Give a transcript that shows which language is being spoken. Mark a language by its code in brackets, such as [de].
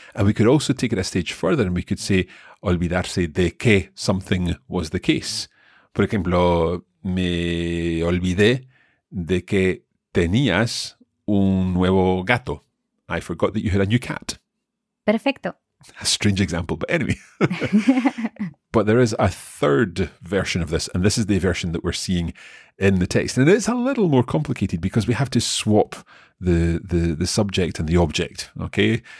[en] And we could also take it a stage further and we could say, [es] olvidarse de que [en] something was the case. [es] Por ejemplo, me olvidé de que tenías un nuevo gato. [en] I forgot that you had a new cat. [es] Perfecto. [en] A strange example, but anyway. But there is a third version of this, and this is the version that we're seeing in the text. And it's a little more complicated because we have to swap the subject and the object, okay?